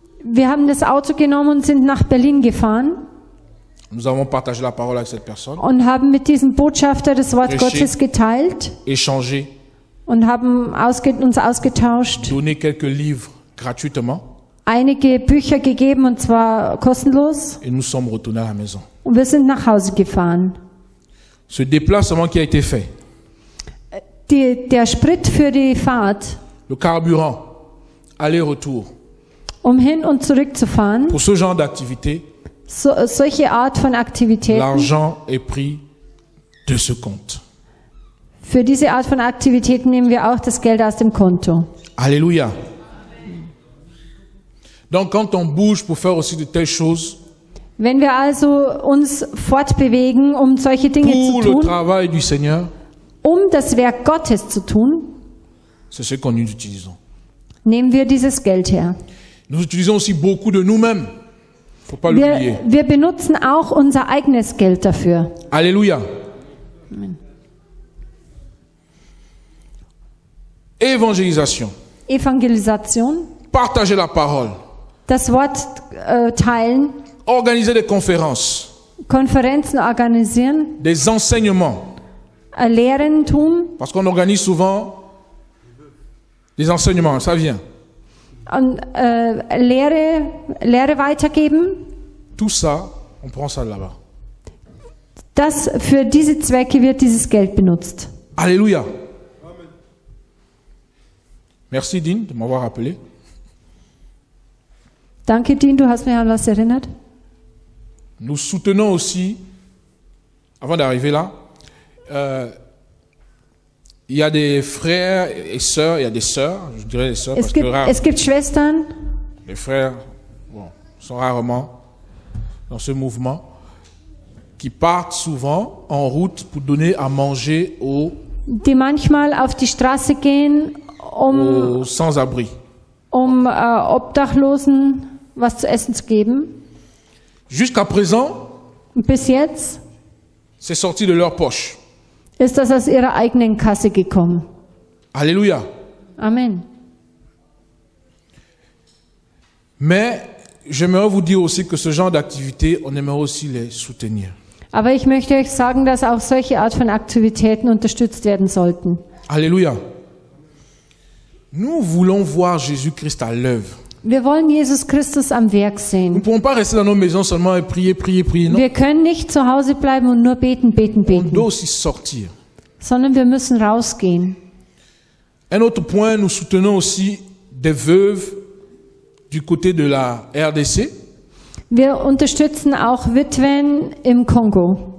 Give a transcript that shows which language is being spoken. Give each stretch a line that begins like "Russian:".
German: Wir haben das Auto genommen und sind nach Berlin gefahren.
French: Nous avons partagé la parole avec cette personne.
German: Und haben mit diesem Botschafter das Wort Gottes geteilt.
French: Échangé.
German: Und haben uns ausgetauscht.
French: Donné quelques livres gratuitement.
German: Einige Bücher gegeben und zwar kostenlos.
French: Et nous sommes retournés à la maison.
German: Und wir sind nach Hause gefahren.
French: Ce déplacement qui a été fait.
German: Der Sprit für die Fahrt.
French: Le carburant aller-retour.
German: Um hin und zurück zu fahren.
French: Pour ce genre d'activité.
German: Solche Art von Aktivitäten.
French: L'argent est pris de ce compte.
German: Für diese Art von Aktivitäten nehmen wir auch das Geld aus dem Konto. Alléluia.
French: Donc quand on bouge pour faire aussi de telles choses.
German: Wenn wir also uns fortbewegen, um solche Dinge zu tun.
French: Pour le travail du Seigneur.
German: Um das Werk Gottes zu tun.
French: C'est ce que nous utilisons.
German: Nehmen wir dieses Geld her.
French: Nous utilisons aussi beaucoup de nous-mêmes. Faut pas l'oublier.
German: Wir benutzen auch unser eigenes Geld dafür. Alléluia. Amen.
French: Évangélisation.
German: Evangelisation.
French: Partager la parole.
German: Das Wort teilen.
French: Organiser des conférences.
German: Konferenzen organisieren.
French: Des enseignements.
German: Lehren tun.
French: Parce qu'on organise souvent des enseignements, ça vient.
German: Und, Lehre weitergeben.
French: Tout ça, on prend ça là-bas.
German: Das für diese Zwecke wird dieses Geld benutzt. Alléluia.
French: Merci Dean de m'avoir appelé.
German: Danke Dean, du hast mich an was erinnert.
French: Nous soutenons aussi, avant d'arriver là, il y a des frères et sœurs, il y a des sœurs, je dirais des sœurs, parce que rarement.
German: Es gibt Schwestern.
French: Les frères, bon, sont rarement dans ce mouvement, qui partent souvent en route pour donner à manger aux.
German: Die manchmal auf die Straße gehen.
French: Sans-abri.
German: Obdachlosen was zu essen zu geben.
French: Jusqu'à présent,
German: bis jetzt,
French: c'est sorti de leur poche.
German: Ist das aus ihrer eigenen Kasse gekommen. Alléluia. Amen.
French: Mais j'aimerais vous dire aussi que ce genre d'activité, on aimerait aussi les soutenir.
German: Aber ich möchte euch sagen, dass auch solche Art von Aktivitäten unterstützt werden sollten. Alléluia.
French: Nous voulons voir Jésus-Christ à l'œuvre.
German: Wir wollen Jesus Christus am Werk sehen.
French: Nous ne pouvons pas rester dans nos maisons seulement et prier, non?
German: Wir können nicht zu Hause bleiben und nur beten.
French: On doit aussi sortir.
German: Sondern wir müssen rausgehen.
French: Un autre point, nous soutenons aussi des veuves du côté de la RDC.
German: Wir unterstützen auch Witwen im Kongo.